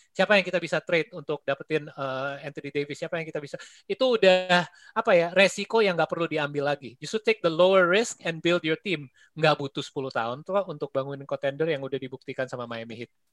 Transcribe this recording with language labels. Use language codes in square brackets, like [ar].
[id] Siapa yang kita bisa trade untuk dapetin Anthony Davis? Siapa yang kita bisa? Itu udah apa ya, resiko yang nggak perlu diambil lagi. [en] You should take the lower risk and build your team. [id] Nggak butuh 10 tahun tuh untuk bangunin contender yang udah dibuktikan sama Miami Heat.